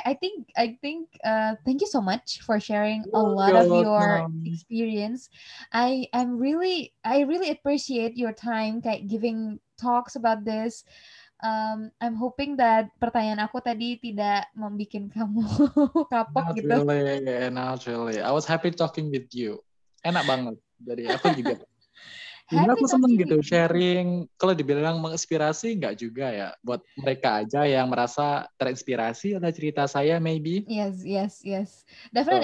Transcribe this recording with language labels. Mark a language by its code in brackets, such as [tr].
[en] I think thank you so much for sharing a lot of your experience. I really appreciate your time [id] kayak [en] giving talks about this. I'm hoping that [id] pertanyaan aku tadi tidak membuat kamu kapok [en] not [id] gitu. [en] Not really. I was happy talking with you. [id] Enak banget. Jadi aku juga Ini aku seneng gitu sharing. Kalau dibilang menginspirasi, nggak juga ya. Buat mereka aja yang merasa terinspirasi oleh cerita saya, [en] maybe. Yes, yes, yes. Definitely.